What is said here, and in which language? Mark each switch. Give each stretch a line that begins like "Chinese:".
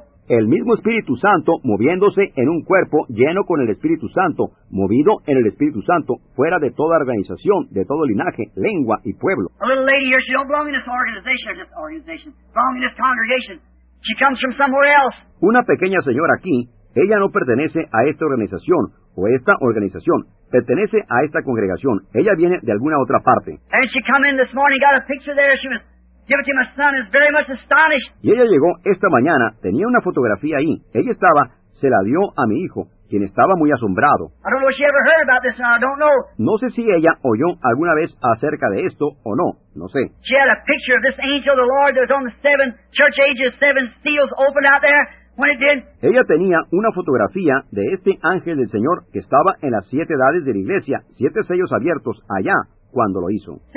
Spanish: El mismo Espíritu Santo moviéndose en un cuerpo lleno con el Espíritu Santo, movido en el Espíritu Santo, fuera de toda organización, de todo linaje, lengua y pueblo.
English: A little lady here, she don't belong in this organization, belong in this congregation. She comes from somewhere else.
Spanish: Una pequeña señora aquí, ella no pertenece a esta organización o esta organización, pertenece a esta congregación. Ella viene de alguna otra parte.
English: And she come in this morning, got a picture there, she was... Give it to my son, is very much astonished.
Spanish: Y ella llegó esta mañana, tenía una fotografía ahí. Ella estaba, se la dio a mi hijo, quien estaba muy asombrado.
English: I don't know if she ever heard about this or not. I don't know.
Spanish: No sé si ella oyó alguna vez acerca de esto o no. No sé.
English: She had a picture of this angel of the Lord that was on the seven church ages, seven seals opened out there.
Spanish: Ella tenía una fotografía de este ángel del Señor que estaba en las siete edades de la iglesia, siete sellos abiertos allá, cuando lo hizo.